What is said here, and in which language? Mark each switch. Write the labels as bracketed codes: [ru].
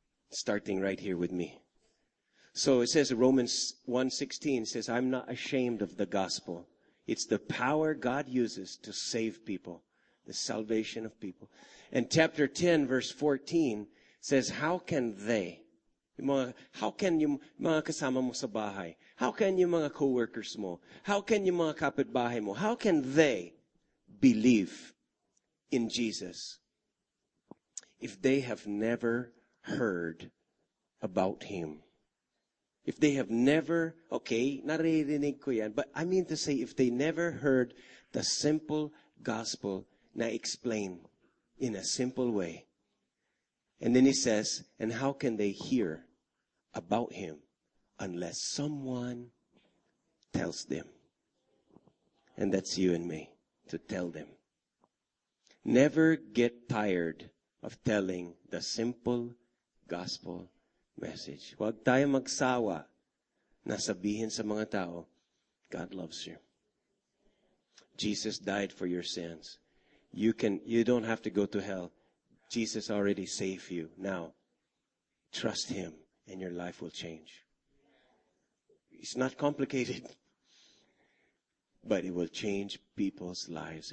[en] Starting right here with me. So it says, Romans 1:16 says, I'm not ashamed of the gospel. It's the power God uses to save people, the salvation of people. And chapter 10, verse 14 says, how can they? How can you [tl] mga kasama mo sa bahay? [en] How can you mga co-workers mo? How can you [tl] mga kapitbahay mo? [en] How can they believe in Jesus if they have never heard about him? If they have never, okay, [tl] naririnig ko yan, [en] but I mean to say, if they never heard the simple gospel na explain in a simple way. And then he says, and how can they hear about him unless someone tells them? And that's you and me, to tell them. Never get tired of telling the simple gospel message. [tl] Huwag tayo magsawa na sabihin sa mga tao, [en] God loves you. Jesus died for your sins. You don't have to go to hell. Jesus already saved you. Now, trust him and your life will change. It's not complicated, but it will change people's lives.